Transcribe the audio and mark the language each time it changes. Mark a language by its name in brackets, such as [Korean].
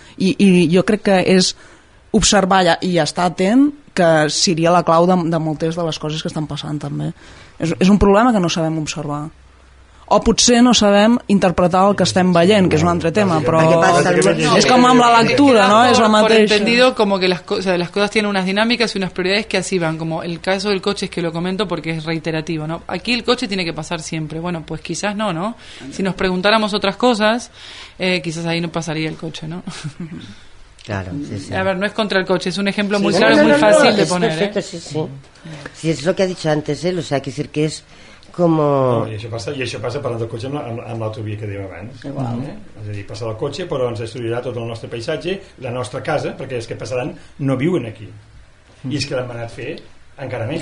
[Catalan] I jo crec que és observar i estar atent, que seria la clau de moltes de les coses que estan passant també. És un problema que no sabem observar. O potser no sabem interpretar el que estem veient, que és un altre tema, però és com amb la lectura, no? És la mateixa. [Spanish] Por entendido, como que las cosas tienen unas dinámicas y unas prioridades que así van. Como el caso del coche, es que lo comento porque es reiterativo, ¿no? Aquí el coche tiene que pasar siempre. Bueno, pues quizás no, ¿no? Si nos preguntáramos otras cosas, quizás ahí no pasaría el coche, ¿no? Claro, sí, sí. A ver, no es contra el coche, es un ejemplo muy claro y muy fácil de poner, perfecto, ¿eh? Sí, es lo que ha dicho antes él, o sea, quiere decir que es... Como... [Catalan] No, i això passa parlant del cotxe amb l'autovia que dèiem abans. Igual, És a dir, passa el cotxe, però ens destruirà tot el nostre paisatge, la nostra casa, perquè els que passaran no viuen aquí. I és que l'han anat a fer encara menys.